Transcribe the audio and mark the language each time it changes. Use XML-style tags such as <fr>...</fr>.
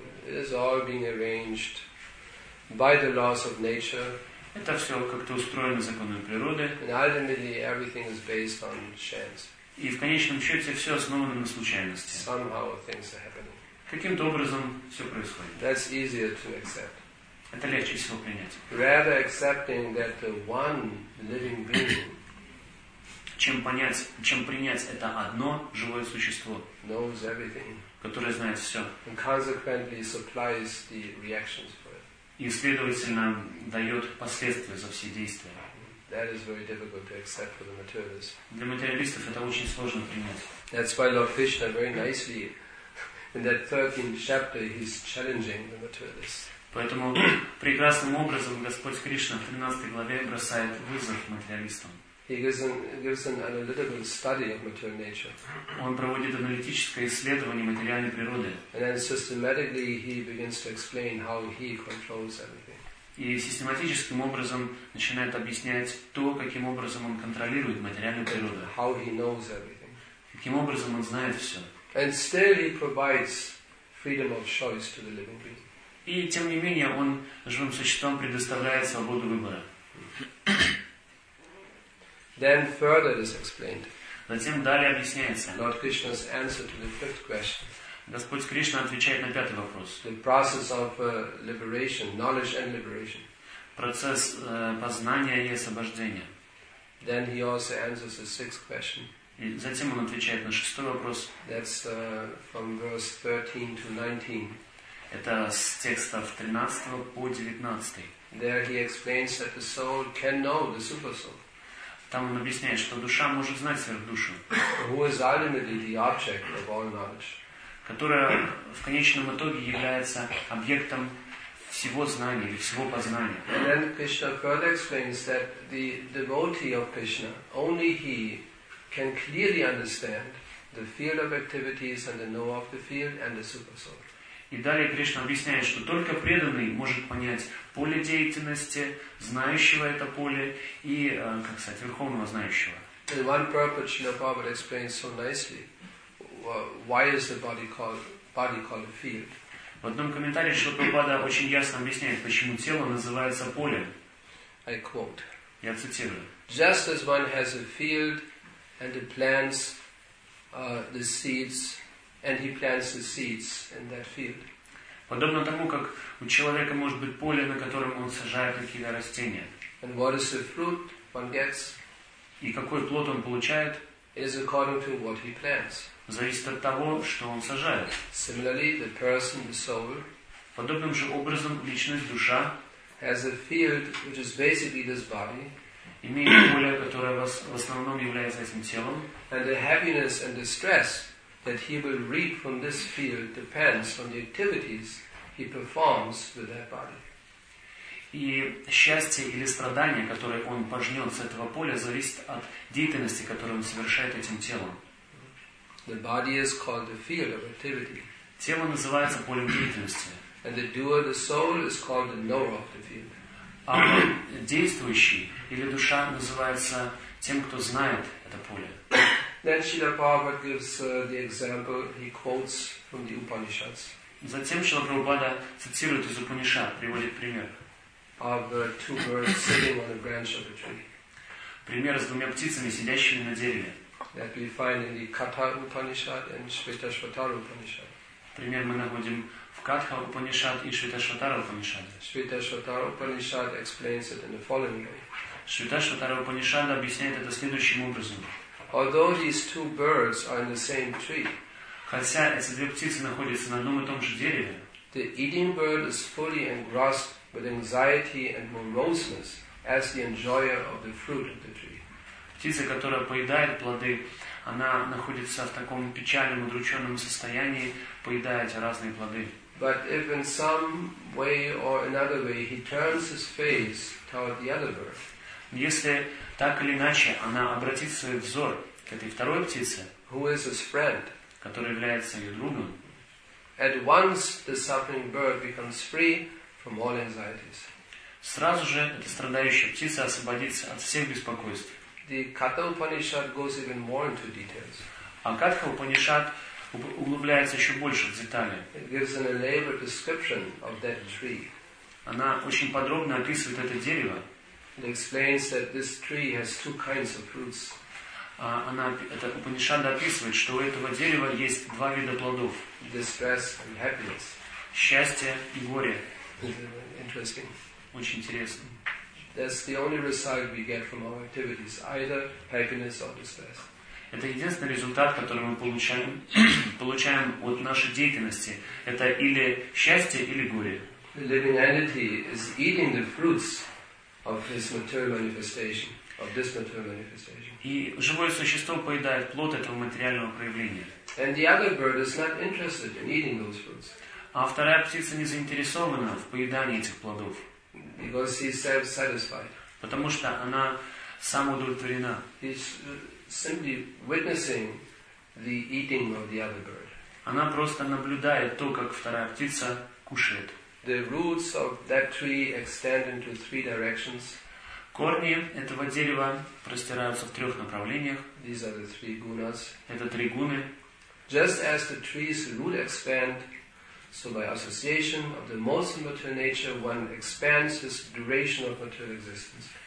<en>It is all being arranged by the laws of nature.</en> <ru>Это все как-то устроено законами природы.</ru> <en>And ultimately everything is based on chance.</en> <ru>И в конечном счете все основано на случайности.</ru> <en>Somehow things are happening.</en> <ru>Каким-то образом все происходит.</ru> <en>That's easier to accept.</en> <ru>Это легче всего принять.</ru> <en>Rather accepting that the one living being,</en> <ru>чем принять это одно живое существо,</ru> <en>knows everything,</en> <ru>которое знает все,</ru> <en>and consequently supplies the reactions for it.</en> <ru>И следовательно дает последствия за все действия.</ru> <en>That is very difficult to accept for the materialists.</en> <ru>Для материалистов это очень сложно принять.</ru> <en>That's why Lord Krishna very nicely in that 13th chapter he's challenging the materialists.</en> <ru>Поэтому прекрасным образом Господь Кришна в 13 главе бросает вызов материалистам.</ru> <en>He gives an analytical study of material nature.</en> <ru>Он проводит аналитическое исследование материальной природы.</ru> <en>And then systematically he begins to explain how he controls everything.</en> <ru>И систематическим образом начинает объяснять то, каким образом он контролирует материальную природу.</ru> <en>How he knows everything.</en> <ru>Каким образом он знает все.</ru> <en>And still he provides freedom of choice to the living being.</en> <ru>И тем не менее он живым существам предоставляет свободу выбора.</ru> <en>Then further it is explained.</en> <ru>Затем далее объясняется.</ru> <en>Lord Krishna's answer to the fifth question.</en> <ru>Господь Кришна отвечает на пятый вопрос.</ru> <en>The process of liberation, knowledge and liberation.</en> <ru>Процесс познания и освобождения.</ru> <en>Then he also answers the sixth question.</en> <ru>И затем он отвечает на шестой вопрос.</ru> <en>That's from verse 13 to 19.</en> <ru>Это с текстов 13 по 19.</ru> <en>There he explains that the soul can know the super soul.</en> <ru>Там он объясняет, что душа может знать сверхдушу.</ru> <en>Who is ultimately the object of all knowledge?</en> <ru>Которая в конечном итоге является объектом всего знания или всего познания.</ru> <en>And then Krishna further explains that the devotee of Krishna, only he can clearly understand the field of activities and the know of the field and the super soul.</en> <ru>И далее Кришна объясняет, что только преданный может понять поле деятельности, знающего это поле и, как сказать, верховного знающего.</ru> <en>In one purport, Srila Prabhupada explains so nicely. Why is the body called a field?</en> <ru>В одном комментарии Шрила Прабхупада очень ясно объясняет, почему тело называется поле.</ru> <en>I quote.</en> <ru>Я цитирую.</ru> <en>Just as one has a field and he plants the seeds, and he plants the seeds in that field.</en> <ru>Подобно тому, как у человека может быть поле, на котором он сажает какие-то растения.</ru> <en>And what is the fruit one gets?</en> <ru>И какой плод он получает?</ru> <en>Is according to what he plants.</en> <ru>Зависит от того, что он сажает.</ru> <en>Similarly, the person, the soul,</en> <ru>подобным же образом личность, душа,</ru> <en>has a field which is basically this body,</en> <ru>имеет поле, которое в основном является этим телом,</ru> <en>and the happiness and the stress that he will reap from this field depends on the activities he performs with that body.</en> <ru>И счастье или страдание, которое он пожнет с этого поля, зависит от деятельности, которую он совершает этим телом.</ru> <en>The body is called the field of activity.</en> <ru>Тело называется полем деятельности.</ru> <en>And the doer, the soul, is called the knower of the field.</en> <ru>А действующий или душа называется тем, кто знает это поле.</ru> <en>Then Srila Prabhupada gives the example he quotes from the Upanishads.</en> <ru>Затем Шрила Прабхупада цитирует из Упанишад, приводит пример.</ru> <en>Of two birds sitting on a branch of a tree.</en> <ru>Пример с двумя птицами, сидящими на дереве.</ru> <en>That we find in the Katha Upanishad and Shvetashvatara Upanishad.</en> <ru>Пример мы находим в Катха Упанишад и Шветашватара Упанишад.</ru> <en>Shvetashvatara Upanishad explains it in the following way.</en> <ru>Шветашватара Упанишад объясняет это следующим образом.</ru> <en>Although these two birds are in the same tree,</en> <ru>хотя эти две птицы находятся на одном и том же дереве,</ru> <en>the eating bird is fully engrossed with anxiety and moroseness as the enjoyer of the fruit of the tree.</en> <ru>Птица, которая поедает плоды, она находится в таком печальном, удрученном состоянии, поедая эти разные плоды.</ru> <en>But if in some way or another way he turns his face toward the other bird,</en> <ru>если так или иначе она обратит свой взор к этой второй птице,</ru> <en>who is his friend,</en> <ru>которая является ее другом,</ru> <en>at once the suffering bird becomes free from all anxieties.</en> <ru>Сразу же эта страдающая птица освободится от всех беспокойств.</ru> <en>The Katha Upanishad goes even more into details.</en> <ru>А Катха Упанишад углубляется еще больше в детали.</ru> <en>It gives an elaborate description of that tree.</en> <ru>Она очень подробно описывает это дерево.</ru> <en>It explains that this tree has two kinds of fruits.</en> <ru>Эта Упанишада описывает, что у этого дерева есть два вида плодов.</ru> <en>Distress and happiness.</en> <ru>Счастье и горе.</ru> <en>Interesting.</en> <ru>Очень интересно.</ru> <en>That's the only result we get from our activities, either happiness or distress.</en> <ru>Это единственный результат, который мы получаем от нашей деятельности. Это или счастье, или горе.</ru> <en>The living entity is eating the fruits of this material manifestation, of this material manifestation.</en> <ru>И живое существо поедает плод этого материального проявления.</ru> <en>And the other bird is not interested in eating those fruits.</en> <ru>А вторая птица не заинтересована в поедании этих плодов.</ru> <en>Because he is self-satisfied.</en> <ru>Потому что она самоудовлетворена.</ru> <en>He is simply witnessing the eating of the other bird.</en> <ru>Она просто наблюдает то, как вторая птица кушает.</ru> <en>The roots of that tree extend into three directions.</en> <ru>Корни этого дерева простираются в трех направлениях.</ru> <en>These are the three gunas.</en> <ru>Это три гуны.</ru> <en>Just as the tree's roots expand, so by association of the most immaterial nature, one expands his duration of material existence.</en>